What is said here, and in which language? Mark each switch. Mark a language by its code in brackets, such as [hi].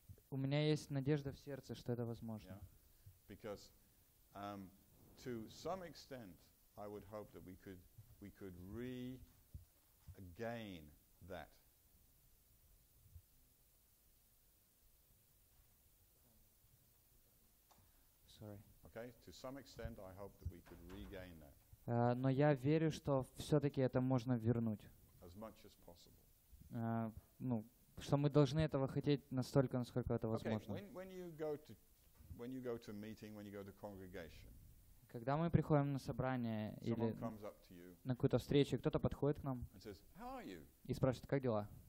[ru] У меня есть надежда в сердце, что это возможно. [en] Because to some extent I would hope that we could regain that. sorry. Okay, to some extent I hope that we could regain that. [ru] Но я верю, что все-таки это можно вернуть. [en] As much as possible. [ru] Ну, что мы должны этого хотеть настолько, насколько это возможно. [en] Okay, when you go to meeting, when you go to congregation. [ru] Когда мы приходим на собрание или на какую-то встречу, кто-то подходит к нам и спрашивает, как дела?